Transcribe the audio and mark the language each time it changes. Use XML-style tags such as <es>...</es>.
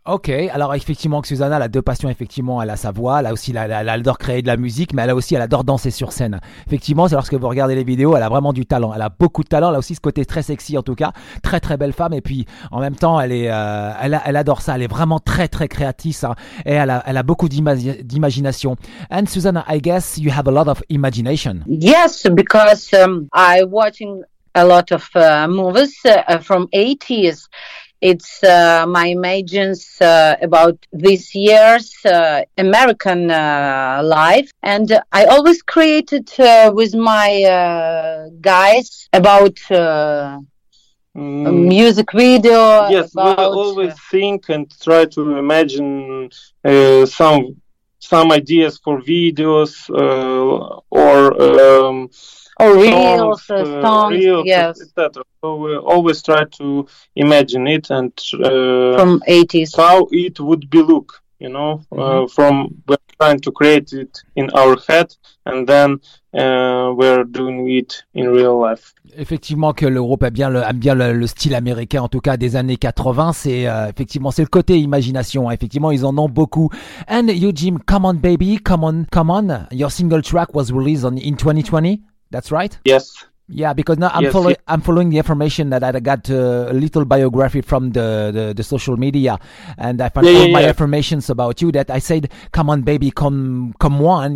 <fr>Ok, alors effectivement que Susanna a deux passions, effectivement elle a sa voix, elle a aussi, elle adore créer de la musique, mais elle adore danser sur scène. Effectivement, c'est lorsque vous regardez les vidéos, elle a vraiment du talent, elle a beaucoup de talent, elle a aussi ce côté très sexy en tout cas, très très belle femme, et puis en même temps elle adore ça, elle est vraiment très très créatrice, hein, et elle a beaucoup d'imagination.</fr> <en>And Susanna, I guess you have a lot of imagination. Yes, because I watching a lot of movies from 80s. It's my imagines about these years American life, and I always created with my guys about music video. Yes, about, we always think and try to imagine some ideas for videos or reels, songs, yes, etc. So we always try to imagine it and from 80s how it would be look, you know, mm-hmm. From we're trying to create it in our head, and then we're doing it in real life.</en> <fr>Effectivement que l'Europe aime bien le style américain, en tout cas des années 80. C'est effectivement c'est le côté imagination. Hein. Effectivement, ils en ont beaucoup.</fr> <en>And Eugene, come on, baby, come on, come on. Your single track was released in 2020. That's right? Yes. Yeah, because now I'm following the information that I got a little biography from the social media, and I found all my information about you that I said, come on, baby, come on.</en>